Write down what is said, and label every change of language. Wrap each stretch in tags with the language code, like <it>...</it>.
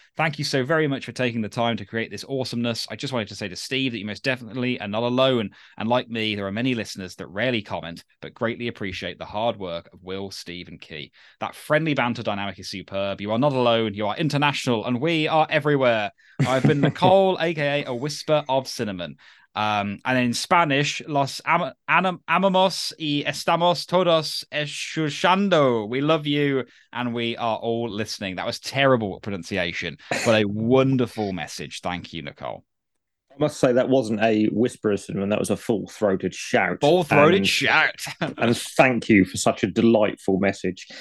<en>Thank you so very much for taking the time to create this awesomeness. I just wanted to say to Steve that you most definitely are not alone. And like me, there are many listeners that rarely comment, but greatly appreciate the hard work of Will, Steve, and Key. That friendly banter dynamic is superb. You are not alone. You are international, and we are everywhere. I've been Nicole, aka A Whisper of Cinnamon. And in Spanish,</en> <es>los amamos y estamos todos escuchando.</es> <en>We love you and we are all listening. That was terrible pronunciation, but a wonderful message. Thank you, Nicole. I must say that wasn't a whisperer cinnamon. That was a full-throated shout. And thank you for such a delightful message.</en>